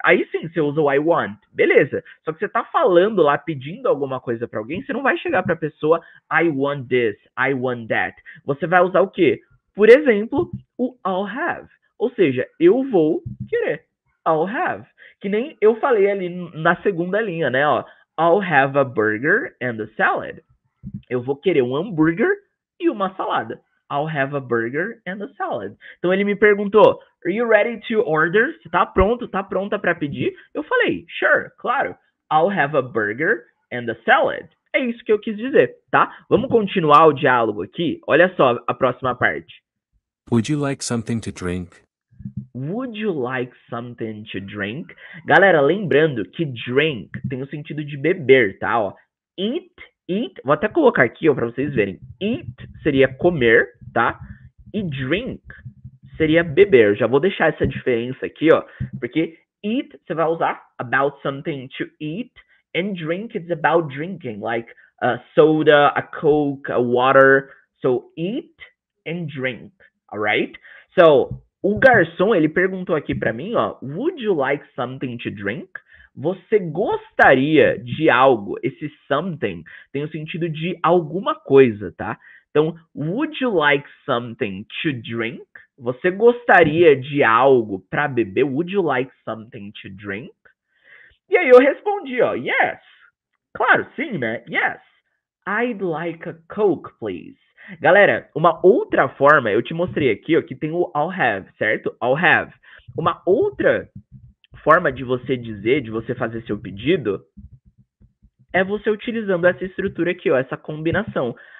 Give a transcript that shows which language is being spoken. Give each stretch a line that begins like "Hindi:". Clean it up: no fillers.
Portuguese: Aí sim, você usa o I want. Beleza. Só que você tá falando lá, pedindo alguma coisa para alguém, você não vai chegar para a pessoa
English: I want this, I want that.
Portuguese: Você vai usar o quê? Por exemplo, o
English: I'll have.
Portuguese: Ou seja, eu vou querer.
English: I'll have.
Portuguese: Que nem eu falei ali na segunda linha, né?
English: Ó, I'll have a burger and a salad.
Portuguese: Eu vou querer um hambúrguer e uma salada.
English: I'll have a burger and a salad.
Portuguese: Então ele me perguntou:
English: Are you ready to order?
Portuguese: Você tá pronto? Tá pronta para pedir? Eu falei: Sure, claro.
English: I'll have a burger and a salad.
Portuguese: É isso que eu quis dizer, tá? Vamos continuar o diálogo aqui. Olha só a próxima parte.
English: Would you like something to drink? Would you like something to drink?
Portuguese: Galera, lembrando que drink tem o sentido de beber, tá? Ó, eat, vou até colocar aqui, ó, para vocês verem. Eat seria comer, tá? E drink seria beber. Já vou deixar essa diferença aqui, ó, porque eat você vai usar
English: about something to eat and drink it's about drinking, like a soda, a coke, a water. So eat and drink, all right?
Portuguese: So o garçom, ele perguntou aqui para mim, ó,
English: would you like something to drink?
Portuguese: Você gostaria de algo? Esse something tem o sentido de alguma coisa, tá?
English: Então, would you like something to drink?
Portuguese: Você gostaria de algo para beber?
English: Would you like something to drink?
Portuguese: E aí eu respondi, ó, yes. Claro, sim, né? Yes.
English: I'd like a Coke, please.
Portuguese: Galera, uma outra forma, eu te mostrei aqui, ó, que tem o
English: I'll have,
Portuguese: certo? I'll have. Uma outra forma de você dizer, de você fazer seu pedido, é você utilizando essa estrutura aqui, ó, essa combinação.